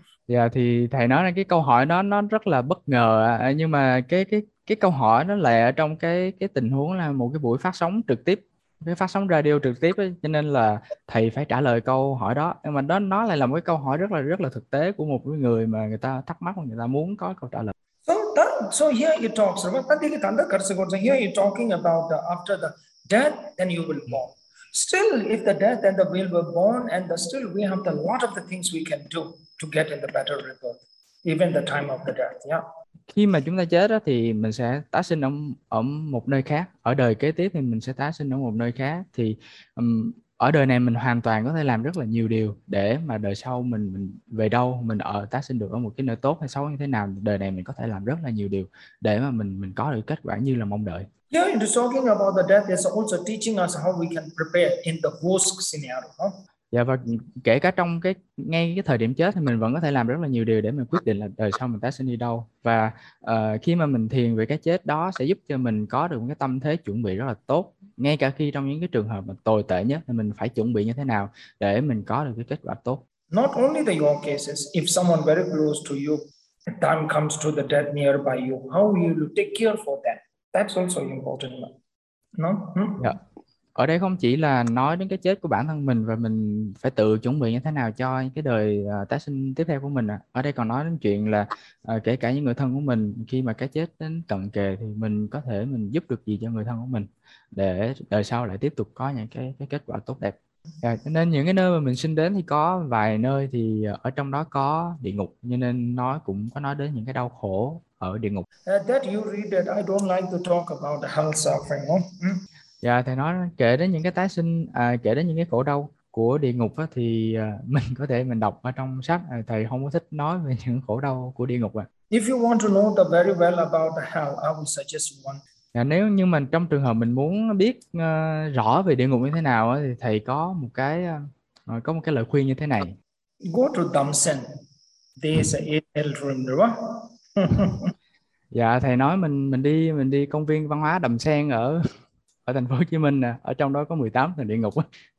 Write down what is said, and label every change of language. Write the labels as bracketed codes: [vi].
[vi] Dạ thì thầy nói là cái câu hỏi đó nó rất là bất ngờ, nhưng mà cái câu hỏi nó lại ở trong cái tình huống là một cái buổi phát sóng trực tiếp, cái phát sóng radio trực tiếp ấy, cho nên là thầy phải trả lời câu hỏi đó. Nhưng mà đó nó lại là một cái câu hỏi rất là thực tế của một cái người mà người ta thắc mắc và người ta muốn có câu trả lời. [en] So here you talk, so here you're talking about the after the death, then you will born. Still, if the death and the will were born, and the still we have the lot of the things we can do to get in the better rebirth, even the time of the death. [vi] Khi mà chúng ta chết đó thì mình sẽ tái sinh ở ở một nơi khác, ở đời kế tiếp thì mình sẽ tái sinh ở một nơi khác, thì ở đời này mình hoàn toàn có thể làm rất là nhiều điều để mà đời sau mình về đâu mình ở tái sinh được ở một cái nơi tốt hay xấu như thế nào, đời này mình có thể làm rất là nhiều điều để mà mình có được kết quả như là mong đợi. [en] Here, talking about the death is also teaching us how we can prepare in the worst scenario. [vi] Dạ, và kể cả trong cái ngay cái thời điểm chết thì mình vẫn có thể làm rất là nhiều điều để mình quyết định là đời sau mình tái sinh đi đâu, và khi mà mình thiền về cái chết đó sẽ giúp cho mình có được một cái tâm thế chuẩn bị rất là tốt, ngay cả khi trong những cái trường hợp mà tồi tệ nhất thì mình phải chuẩn bị như thế nào để mình có được cái kết quả tốt. [en] Not only the your cases, if someone very close to you, the time comes to the death near by you, how will you take care for them? That's also important. [vi] Dạ. Ở đây không chỉ là nói đến cái chết của bản thân mình và mình phải tự chuẩn bị như thế nào cho cái đời tái sinh tiếp theo của mình . Ở đây còn nói đến chuyện là kể cả những người thân của mình, khi mà cái chết đến cận kề thì mình có thể mình giúp được gì cho người thân của mình để đời sau lại tiếp tục có những cái kết quả tốt đẹp. Nên những cái nơi mà mình sinh đến thì có vài nơi thì ở trong đó có địa ngục, cho nên nó cũng có nói đến những cái đau khổ ở địa ngục. [en] That you read it, I don't like to talk about the hell suffering. [vi] Dạ, thầy nói kể đến những cái tái sinh, kể đến những cái khổ đau của địa ngục á, thì mình có thể mình đọc ở trong sách, thầy không có thích nói về những khổ đau của địa ngục . [en] If you want to know the very well about the hell, I would suggest one. [vi] Dạ, nếu như mình trong trường hợp mình muốn biết rõ về địa ngục như thế nào á, thì thầy có một cái lời khuyên như thế này. [en] Go to Damsen. There's an room, [vi] Dạ, thầy nói mình đi công viên văn hóa Đầm Sen ở ở thành phố Hồ Chí Minh . Ở trong đó có 18 tầng địa ngục .